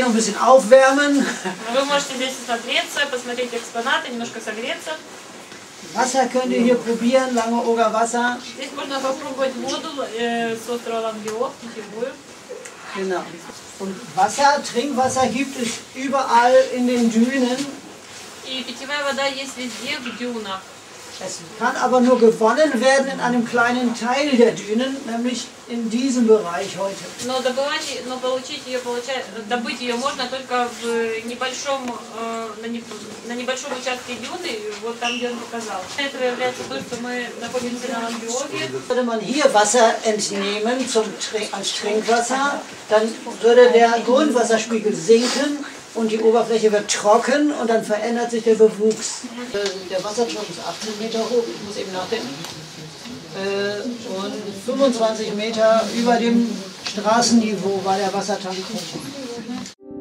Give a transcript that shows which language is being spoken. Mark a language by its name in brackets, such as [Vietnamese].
[Russian] Вы можете здесь осмотреться, посмотреть экспонаты, немножко согреться. [German] Wasser könnt ihr hier probieren, Langeooger Wasser. [Russian] Здесь можно попробовать воду с острова Langeoog. [German] Genau. Und Wasser, Trinkwasser gibt es überall in den Dünen. [Russian] И питьевая вода есть везде в дюнах. [German] Es kann aber nur gewonnen werden in einem kleinen Teil der Dünen, nämlich in diesem Bereich heute. [Russian] Но добывать, но получить ее, добыть ее можно только в небольшом, на небольшом участке дюны, вот там, где он показал. Это является то, что мы находимся на Langeoog. [German] Würde man hier Wasser entnehmen zum als Trinkwasser, dann würde der Grundwasserspiegel sinken. Und die Oberfläche wird trocken und dann verändert sich der Bewuchs. Der Wasserturm ist 18 Meter hoch, ich muss eben nachdenken. Und 25 Meter über dem Straßenniveau war der Wassertank hoch.